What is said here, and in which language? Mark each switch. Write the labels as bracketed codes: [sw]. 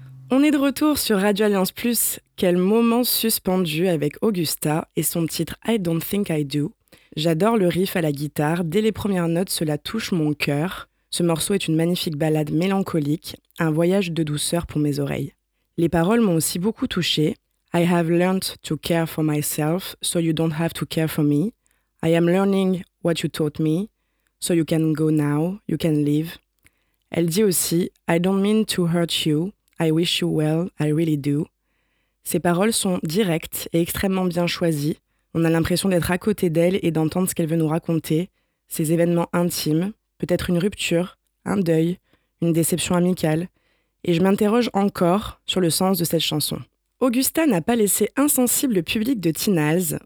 [fr] On est de retour sur Radio Alliance Plus. Quel moment suspendu avec Augusta et son titre « I Don't Think I Do ». J'adore le riff à la guitare. Dès les premières notes, cela touche mon cœur. Ce morceau est une magnifique ballade mélancolique, un voyage de douceur pour mes oreilles. Les paroles m'ont aussi beaucoup touchée. [en] « I have learned to care for myself, so you don't have to care for me. I am learning what you taught me, so you can go now, you can leave. » [fr] Elle dit aussi [en] « I don't mean to hurt you. » I wish you well, I really do. [fr] Ces paroles sont directes et extrêmement bien choisies. On a l'impression d'être à côté d'elle et d'entendre ce qu'elle veut nous raconter, ses événements intimes, peut-être une rupture, un deuil, une déception amicale. Et je m'interroge encore sur le sens de cette chanson. Augusta n'a pas laissé insensible le public de Tinals.